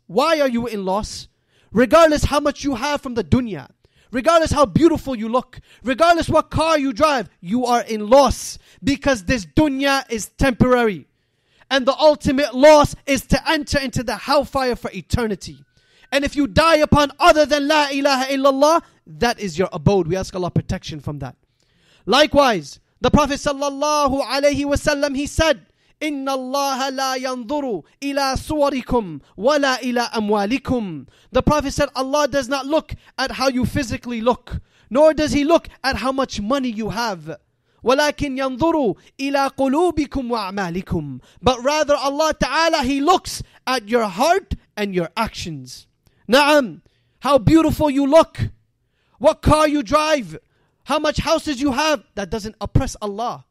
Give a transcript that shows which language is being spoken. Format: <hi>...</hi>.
<en>Why are you in loss? Regardless how much you have from the dunya, regardless how beautiful you look, regardless what car you drive, you are in loss because this dunya is temporary. And the ultimate loss is to enter into the hellfire for eternity. And if you die upon other than La ilaha illallah, that is your abode. We ask Allah protection from that. Likewise, the Prophet sallallahu alayhi wasallam, he said,</en> <ar>إِنَّ اللَّهَ لَا يَنْظُرُ إِلَىٰ صُوَرِكُمْ وَلَا إِلَىٰ أَمْوَالِكُمْ.</ar> <en>The Prophet said, Allah does not look at how you physically look, nor does He look at how much money you have.</en> <ar>وَلَكِنْ يَنْظُرُ إِلَىٰ قُلُوبِكُمْ وَأَعْمَالِكُمْ.</ar> <en>But rather Allah Ta'ala, He looks at your heart and your actions. Na'am, how beautiful you look, what car you drive, how much houses you have, that doesn't oppress Allah.</en>